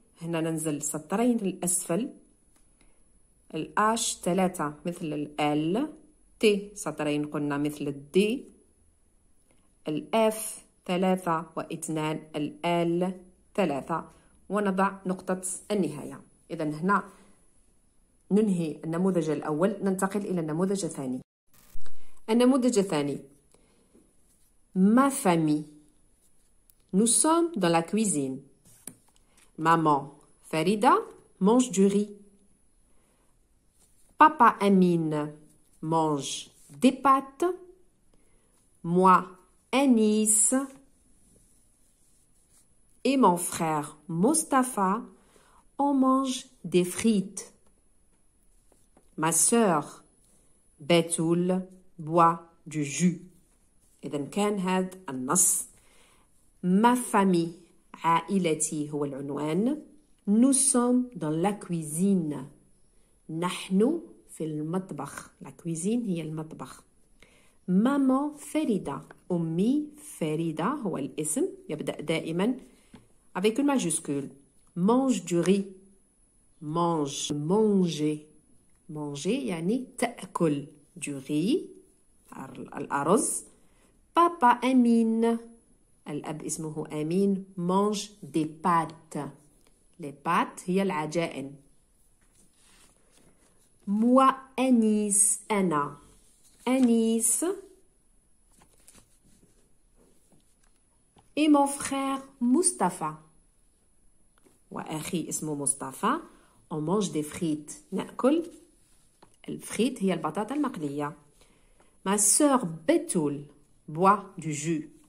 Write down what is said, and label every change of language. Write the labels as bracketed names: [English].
[Arabic] هنا ننزل سطرين الأسفل، ال H ثلاثة مثل ال L، T سطرين قلنا مثل ال D، ال F ثلاثة واثنان، ال L ثلاثة، ونضع نقطة النهاية. إذا هنا ننهي النموذج الأول ننتقل إلى النموذج الثاني. النموذج الثاني [French] ma famille. Nous sommes dans la cuisine. Maman Farida mange du riz. Papa Amine mange des pâtes. Moi, Anis. Et mon frère Mostafa, on mange des frites. Ma sœur Betoul boit du jus. Et then can had a nas. Ma famille, [Arabic] عائلتي هو العنوان. [French] Nous sommes dans la cuisine. [Arabic] نحن في المطبخ. [French] La cuisine [Arabic] هي المطبخ. [French] Maman Farida. [Arabic] أمي Farida هو الاسم. يبدأ دائما [French] avec une majuscule. Mange du riz. Mange. Manger. [Arabic] مانجي يعني تأكل، دو ري الأرز. بابا أمين، الأب اسمه أمين، مانج دي بات، لي بات هي العجائن. موا أنيس، أنا أنيس. [French] Et mon frère Mustapha. [Arabic] وأخي اسمه مصطفى. [French] On mange des frites. [Arabic] نأكل الفريت هي البطاطا المقلية. [French] Ma sœur Betoul boit du jus.